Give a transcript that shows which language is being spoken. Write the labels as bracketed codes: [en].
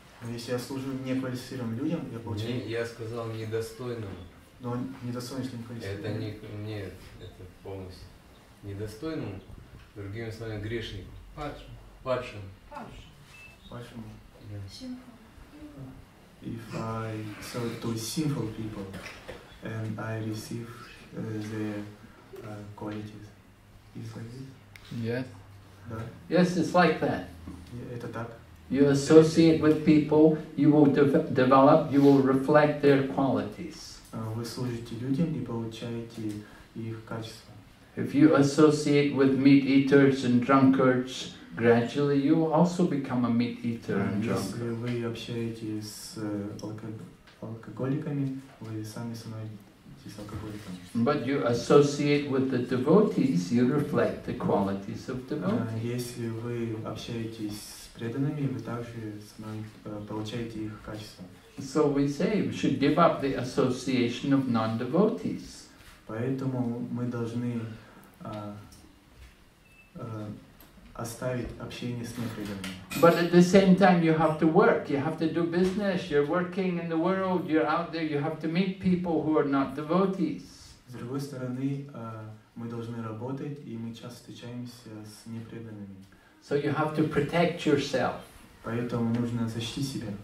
[ru] Если я служу неквалифицированным людям, я получаю... Не, я сказал недостойным. Но недостойный, если не квалифицирован. Это не... Нет. Это полностью недостойным, другими словами, грешником. Падшим. Падшим. Симфол. [en] If I serve to sinful people, and I receive their qualities, is like this? Yes. [ru] Да? [en] Yes, it's like that. [ru] Это так. [en] You associate with people, you will develop, you will reflect their qualities. [ru] Вы служите людям и получаете... их качество. [en] If you associate with meat eaters and drunkards, gradually you also become a meat eater and drunkard. [ru] Если вы общаетесь с алкоголиками, вы сами становитесь алкоголиками. [en] But you associate with the devotees, you reflect the qualities of devotees. [ru] Если вы общаетесь с преданными, вы также получаете их качество. [en] So we say, we should give up the association of non-devotees. [ru] Поэтому мы должны оставить общение с непреданными. [en] But at the same time you have to work, you have to do business, you're working in the world, you're out there, you have to meet people who are not devotees. [ru] С другой стороны, мы должны работать, и мы часто встречаемся с непреданными. [en] So you have to protect yourself. [ru] Поэтому нужно защитить себя.